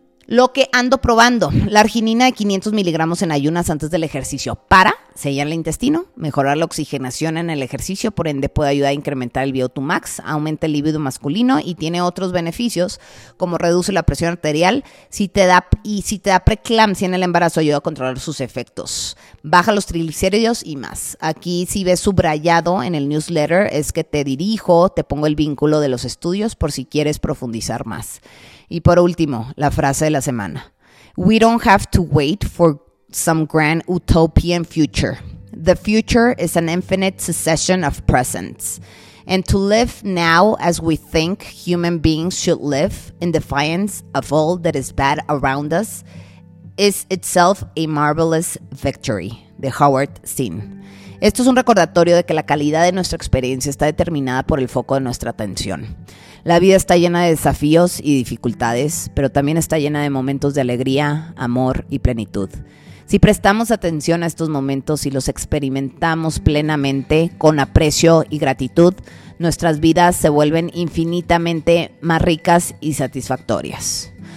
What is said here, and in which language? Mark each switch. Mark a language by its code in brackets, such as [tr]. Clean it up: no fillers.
[es] Lo que ando probando, la arginina de 500 miligramos en ayunas antes del ejercicio para sellar el intestino, mejorar la oxigenación en el ejercicio, por ende puede ayudar a incrementar el VO2max, aumenta el libido masculino y tiene otros beneficios como reduce la presión arterial si te da preeclampsia en el embarazo, ayuda a controlar sus efectos, baja los triglicéridos y más. Aquí si ves subrayado en el newsletter es que te pongo el vínculo de los estudios por si quieres profundizar más. Y por último, la frase de la semana. [en] We don't have to wait for some grand utopian future. The future is an infinite succession of presents. And to live now as we think human beings should live in defiance of all that is bad around us is itself a marvelous victory. [es] De Howard Zinn. Esto es un recordatorio de que la calidad de nuestra experiencia está determinada por el foco de nuestra atención. La vida está llena de desafíos y dificultades, pero también está llena de momentos de alegría, amor y plenitud. Si prestamos atención a estos momentos y los experimentamos plenamente, con aprecio y gratitud, nuestras vidas se vuelven infinitamente más ricas y satisfactorias.